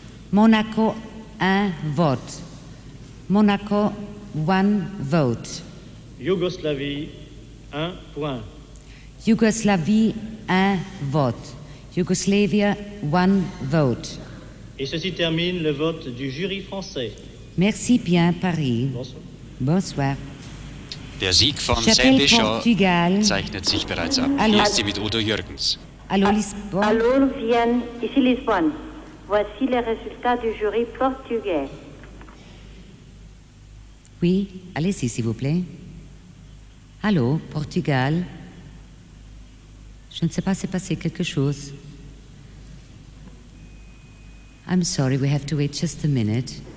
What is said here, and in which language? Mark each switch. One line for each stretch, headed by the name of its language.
French: Monaco, un vote.
English: Monaco, one vote.
French: Yougoslavie, un point. Yougoslavie, un vote.
English: Yugoslavia, one vote.
French: Et ceci termine le vote du jury français. Merci bien, Paris. Bonsoir. Bonsoir.
German: Der Sieg von Sandy Shaw zeichnet sich bereits ab. Hallo. Hier ist sie mit Udo Jürgens. Hallo, Lisbon.
French: Hallo, Lucien. Ici Lisbon. Voici les résultats du jury portugais. Oui, allez-y, s'il vous plaît.
German: Hallo, Portugal.
French: Je ne sais pas, s'est passé quelque chose.
English: I'm sorry, we have to wait just a minute.